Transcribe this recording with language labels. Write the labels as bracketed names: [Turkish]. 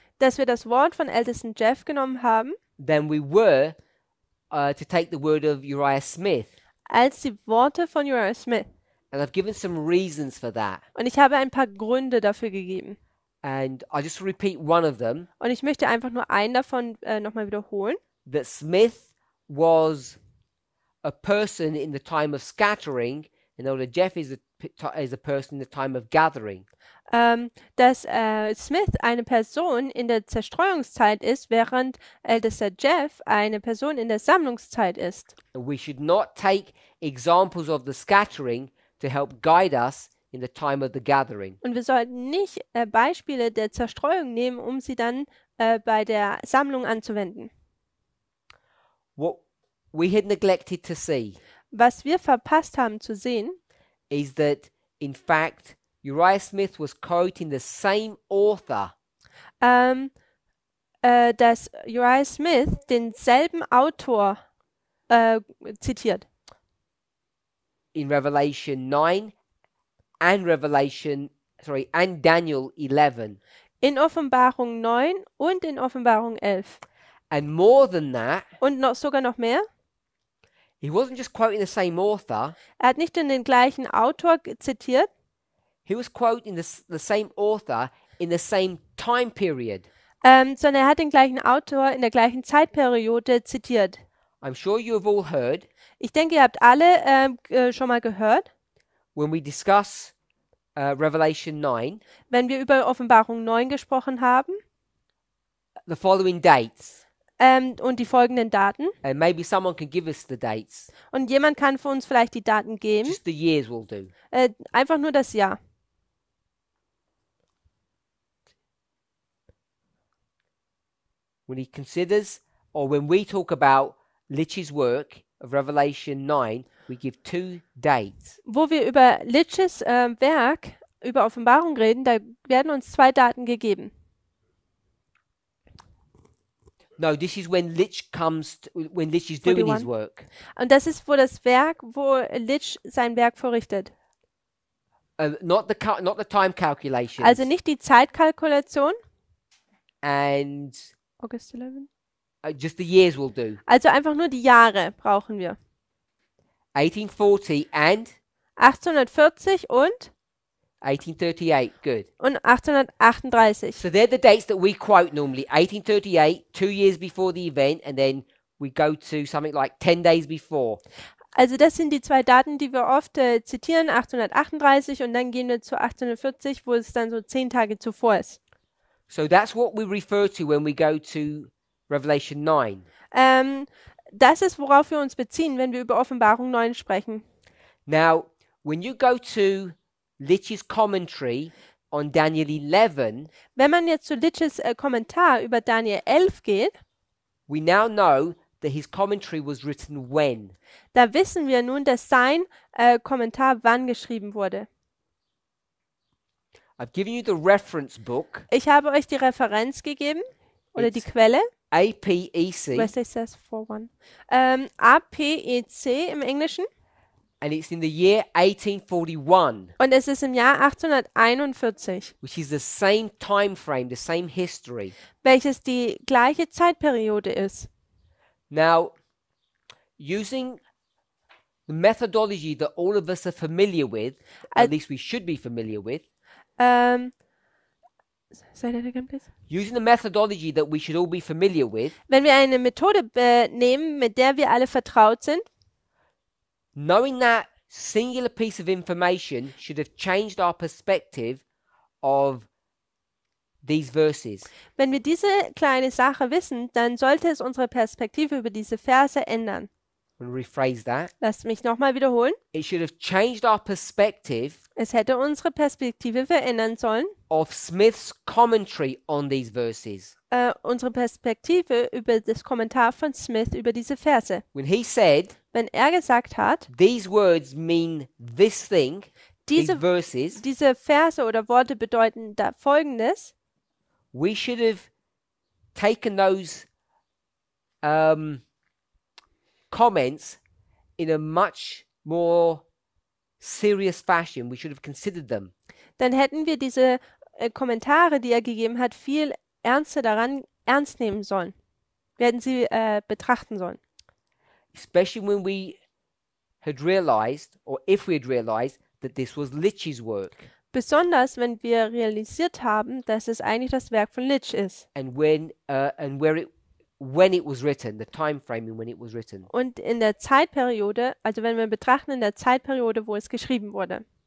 [German] Dass wir das Wort von Ältesten Jeff genommen haben. [English] Then we were to take the word of Uriah Smith. [German] Als die Worte von Uriah Smith. [English] And I've given some reasons for that. [German] Und ich habe ein paar Gründe dafür gegeben. [English] And I'll just repeat one of them. [German] Und ich möchte einfach nur einen davon nochmal wiederholen. [English] That Smith was a person in the time of scattering, and Elder Jeff is a person in the time of gathering. [German] Dass Smith eine Person in der Zerstreuungszeit ist, während Ältester Jeff eine Person in der Sammlungszeit ist. [English] We should not take examples of the scattering to help guide us in the time of the gathering. [German] Und wir sollten nicht Beispiele der Zerstreuung nehmen, um sie dann bei der Sammlung anzuwenden. [English] What we had neglected to see. [German] Was wir verpasst haben zu sehen, [English] is that in fact Uriah Smith was quoting the same author. [German] Dass Uriah Smith denselben Autor zitiert. [English] In Revelation 9 and and Daniel 11. [German] In Offenbarung 9 und in Offenbarung 11. [English] And more than that. [German] Und noch sogar noch mehr. [English] He wasn't just quoting the same author. [German] Er hat nicht den gleichen Autor zitiert. [English] He was quoting the same author in the same time period. [German] Sondern er hat den gleichen Autor in der gleichen Zeitperiode zitiert. [English] I'm sure you have all heard. [German] Ich denke, ihr habt alle schon mal gehört. [English] When we discuss Revelation 9. [German] Wenn wir über Offenbarung 9 gesprochen haben. [English] The following dates. [German] Und die folgenden Daten. [English] And maybe someone can give us the dates. [German] Und jemand kann für uns vielleicht die Daten geben. [English] Just the years will do. [German] Einfach nur das Jahr. [English] When he considers, or when we talk about Litch's work of Revelation 9, we give two dates. [German] Wo wir über Litch's Werk, über Offenbarung reden, da werden uns zwei Daten gegeben. [English] No, this is when Litch comes, when Litch is doing 41. His work. [German] Und das ist wo das Werk, wo Litch sein Werk verrichtet. [English] Not the time calculations. [German] Also nicht die Zeitkalkulation. [English] And August 11. Just the years will do. [German] Also einfach nur die Jahre brauchen wir. [English] 1840 and [German] 1840 und [English] 1838, good. [German] Und 1838. [English] So they're the dates that we quote normally. 1838, 2 years before the event, and then we go to something like 10 days before. [German] Also das sind die zwei Daten, die wir oft zitieren, 1838, und dann gehen wir zu 1840, wo es dann so 10 Tage zuvor ist. [English] So that's what we refer to when we go to Revelation 9. [German] Das ist, worauf wir uns beziehen, wenn wir über Offenbarung 9 sprechen. [English] Now, when you go to Litch's commentary on Daniel 11, [German] wenn man jetzt zu Litch's Kommentar über Daniel 11 geht, [English] we now know that his commentary was written when. [German] Da wissen wir nun, dass sein Kommentar wann geschrieben wurde. [English] I've given you the reference book. [German] Ich habe euch die Referenz gegeben oder [English] it's [German] die Quelle. [English] APEC. [German] Was ist das [English] for one? [German] APEC im Englischen. [English] And it's in the year 1841. [German] Und es ist im Jahr 1841. [English] Which is the same time frame, the same history. [German] Welches die gleiche Zeitperiode ist. [English] Now, using the methodology that all of us are familiar with, at least we should be familiar with. Say that again, please. Using the methodology that we should all be familiar with. [German] Wenn wir eine Methode nehmen, mit der wir alle vertraut sind. [English] Knowing that singular piece of information should have changed our perspective of these verses. [German] Wenn wir diese kleine Sache wissen, dann sollte es unsere Perspektive über diese Verse ändern. [English] We'll rephrase that. [German] Lass mich nochmal wiederholen. [English] It should have changed our perspective. [German] Es hätte unsere Perspektive verändern sollen. [English] Of Smith's commentary on these verses. [German] Unsere Perspektive über das Kommentar von Smith über diese Verse. [English] When he said, [German] wenn er gesagt hat, [English] these words mean this thing, these verses, [German] diese Verse oder Worte bedeuten da Folgendes. [English] We should have taken those comments in a much more serious fashion. We should have considered them. [German] Dann hätten wir diese Kommentare, die er gegeben hat, viel ernster daran ernst nehmen sollen. Wir hätten sie betrachten sollen. [English] Especially when we had realized, or if we had realized, that this was Litch's work. [German] Besonders wenn wir realisiert haben, dass es eigentlich das Werk von Litch ist. [English] And when and where it when it was written, the time frame when it was written. [German] Und in der Zeitperiode, also wenn wir betrachten in der Zeitperiode, wo es geschrieben wurde.